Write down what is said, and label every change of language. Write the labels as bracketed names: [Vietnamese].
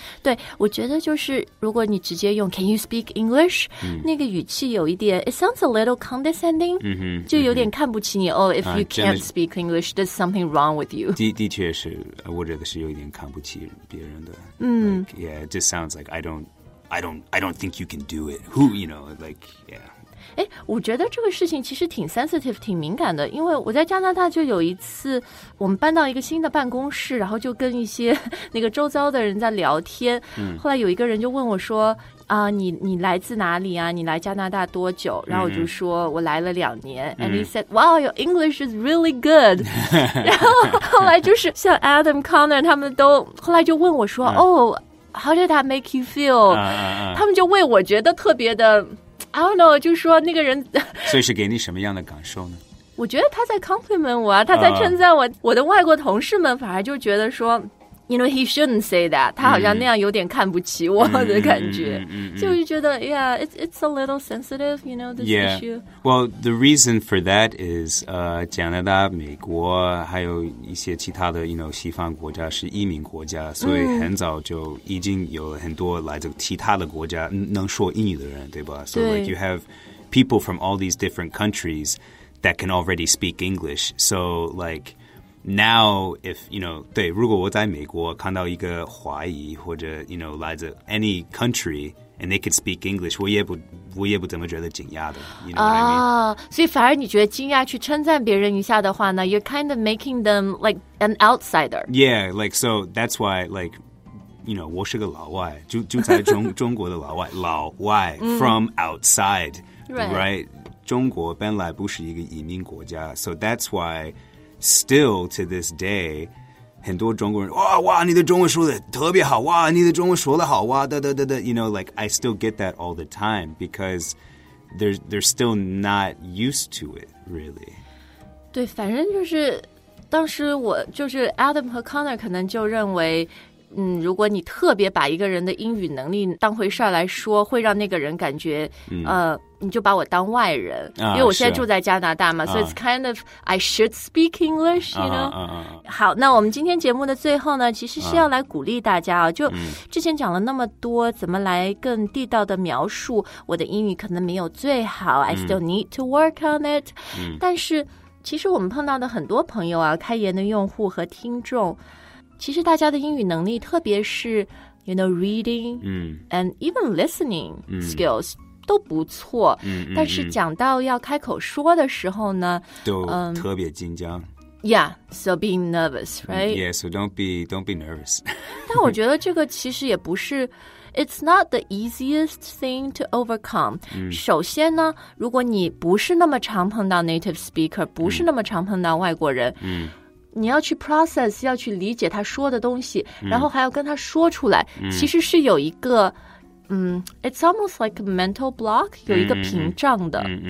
[Chinese] 对我觉得就是如果你直接用 can you speak English,、 mm-hmm. 那个语气有一点 [English] it sounds a little condescending,、 mm-hmm. [Chinese] 就有点看不起你、 mm-hmm. [English] Oh, if you can't speak English, there's something wrong with you. [Chinese] 的确是我觉得是有一点看不起别人的。嗯、 mm-hmm. [English] like,Yeah, it just sounds like I don't think you can do it. Who, you know, like, yeah. [Chinese] 诶，我觉得这个事情其实挺 sensitive, 挺敏感的。因为我在加拿大就有一次，我们搬到一个新的办公室，然后就跟一些那个周遭的人在聊天。后来有一个人就问我说，你来自哪里啊？你来加拿大多久？然后我就说我来了两年。 Mm-hmm. [English] And he said, "Wow, your English is really good." [Chinese] 然后后来就是像 Adam Connor 他们都后来就问我说，哦。 [English] How did that make you feel? [Chinese] 他们就为我觉得特别的 [English] I don't know, [Chinese] 就是说那个人所以是给你什么样的感受呢我觉得他在 compliment 我啊他在称赞我我的外国同事们反而就觉得说 [English] You know, he shouldn't say that [Chinese] 他好像那样有点看不起我的感觉就是觉得 [English] Yeah, it's a little sensitive, you know, this issue Well, the reason for that is [Chinese] 加拿大、美国还有一些其他的 [English] you know, [Chinese] 西方国家是移民国家所以很早就已经有很多来自其他的国家能说英语的人对吧 [English] So like you have people from all these different countries that can already speak English So [Chinese] likeNow, if, you know, 对如果我在美国看到一个华裔或者 you know, 来自 [English] any country, and they could speak English, [Chinese] 我也不怎么觉得惊讶的 [English] you know what I mean? [Chinese] 所以反而你觉得惊讶去称赞别人一下的话呢 [English] you're kind of making them like an outsider. Yeah, like, so that's why, like, you know, [Chinese] 我是个老外就在中国的老外老外 [English] from outside, right? [Chinese] 中国本来不是一个移民国家 [English] so that's why,Still to this day, [Chinese] 很多中国人哇哇，你的中文说的特别好哇，你的中文说的好哇，哒哒哒哒。 [English] You know, like I still get that all the time because they're still not used to it, really. [Chinese] 对，反正就是当时我就是 Adam 和 Connor 可能就认为嗯，如果你特别把一个人的英语能力当回事儿来说，会让那个人感觉，你就把我当外人，因为我现在住在加拿大嘛，所以 [English] it's kind of I should speak English, you know. [Chinese] 好，那我们今天节目的最后呢，其实是要来鼓励大家啊，就之前讲了那么多，怎么来更地道的描述我的英语可能没有最好， [English] I still need to work on it. [Chinese] 但是其实我们碰到的很多朋友啊，开言的用户和听众。其实大家的英语能力特别是 [English] you know, reading and even listening skills [Chinese] 都不错但是讲到要开口说的时候呢都特别紧张 [English] Yeah, so being nervous, right? Yeah, so don't be nervous [Chinese] 但我觉得这个其实也不是 [English] It's not the easiest thing to overcome [Chinese] 首先呢如果你不是那么常碰到 native speaker 不是那么常碰到外国人你要去 process, 要去理解他说的东西然后还要跟他说出来其实是有一个 [English] it's almost like a mental block, [Chinese] 有一个屏障的。